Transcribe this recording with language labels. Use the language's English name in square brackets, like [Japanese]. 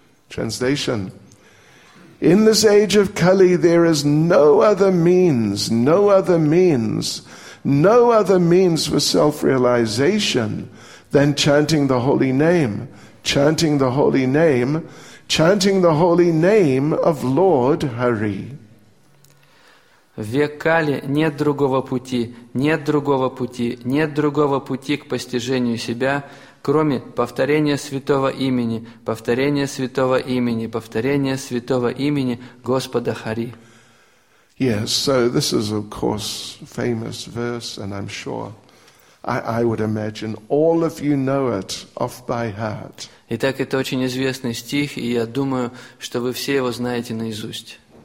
[English] Translation: In this age of Kali, there is no other means, no other means, no other means for self-realization than chanting the holy name, chanting the holy name, chanting the holy name of Lord Hari. [Russian] В век Кали нет другого пути, нет другого пути, нет другого пути к постижению себя, кроме повторения святого имени, повторения святого имени, повторения святого имени Господа Хари. [English] Yes, so this is of course famous verse, and I'm sure I would imagine all of you know it off by heart. [Russian] Итак, это очень известный стих, и я думаю, что вы все его знаете наизусть.